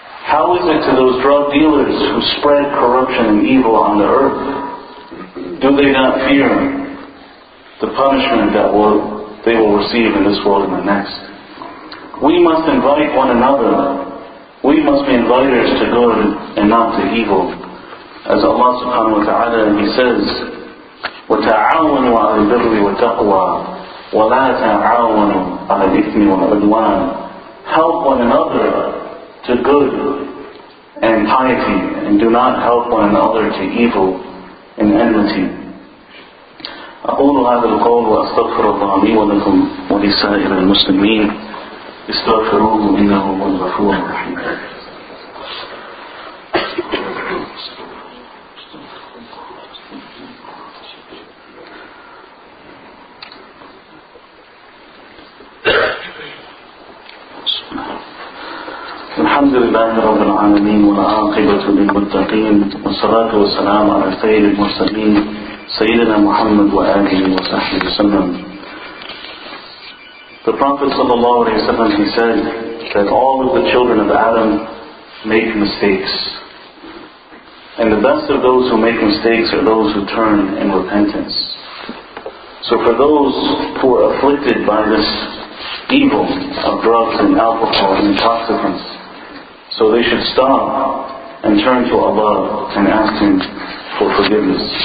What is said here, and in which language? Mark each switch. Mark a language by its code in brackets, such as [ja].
[en] How is it to those drug dealers who spread corruption and evil on the earth? Do they not fear the punishment that they will receive in this world and the next? We must invite one another. We must be inviters to good and not to evil. As Allah subhanahu wa ta'ala, He says, [ar] وَتَعَاوَنُوا عَلَى الْبِرِّ وَتَقْوَى وَلَا تَعَاوَنُوا عَلَى الْإِثْمِ وَالْعُدْوَانِ. Help one another to good and piety, and do not help one another to evil and enmity. أَقُولُ هَذَا الْقَوْلُ وَأَسْتَغْفِرُ اللَّهَ لِي وَلَكُمْ وَلِسَائِرِ الْمُسْلِمِينَ استغفروه إنه هو الغفور الرحيم. الحمد لله رب العالمين والعاقبة للمتقين والصلاة والسلام على سيد المرسلين سيدنا محمد وآله وصحبه وسلم. [en] The Prophet sallallahu alaihi wasallam, he said that all of the children of Adam make mistakes. And the best of those who make mistakes are those who turn in repentance. So for those who are afflicted by this evil of drugs and alcohol and intoxicants, so they should stop and turn to Allah and ask Him for forgiveness.